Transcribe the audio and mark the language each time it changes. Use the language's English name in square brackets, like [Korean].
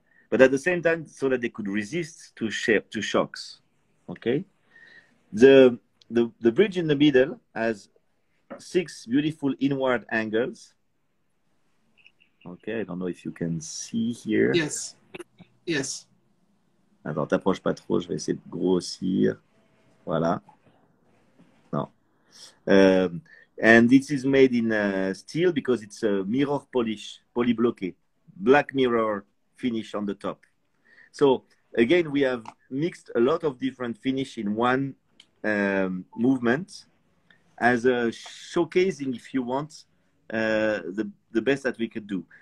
[English] But at the same time, so that they could resist to shocks, okay? The bridge in the middle has six beautiful inward angles. Okay, I don't know if you can see here. Yes, yes. [French] Alors, t'approche pas trop, je vais essayer de grossir. Voilà. No. [English] And this is made in steel because it's a mirror polish, polybloqué, black mirror finish on the top. So, again, we have mixed a lot of different finish in one movement as a showcasing, if you want, the best that we could do.